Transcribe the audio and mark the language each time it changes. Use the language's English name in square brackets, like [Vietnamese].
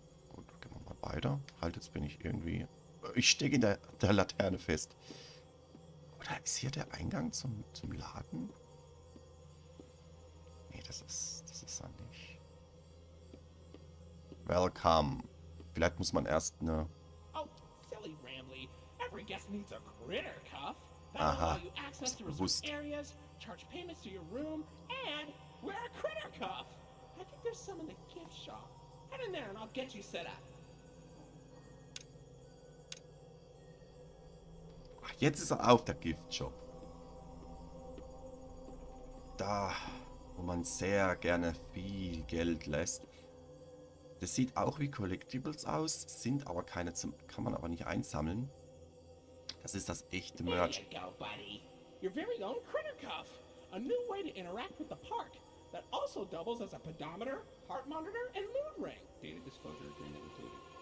[German] Gut, gehen wir mal weiter. Halt, jetzt bin ich irgendwie. Ich stecke in der Laterne fest. Oder ist hier der Eingang zum Laden? Nee, das ist er nicht. Welcome. Vielleicht muss man erst eine. [English] Oh, silly Rambly. Every guest needs a critter cuff. Aha. Access to reserved areas, charge payments to your room, and wear a critter cuff. I think there's some in the gift shop. Head in there and I'll get you set up. [German] Jetzt ist er auf der Giftshop. Da, wo man sehr gerne viel Geld lässt. Das sieht auch wie Collectibles aus, sind aber keine zum. Kann man aber nicht einsammeln. Das ist das echte Merch. [English] There you go, buddy. Your very own critter cuff. A new way to interact with the park. That also doubles as a pedometer, heart monitor and mood ring. Data disclosure agreement included.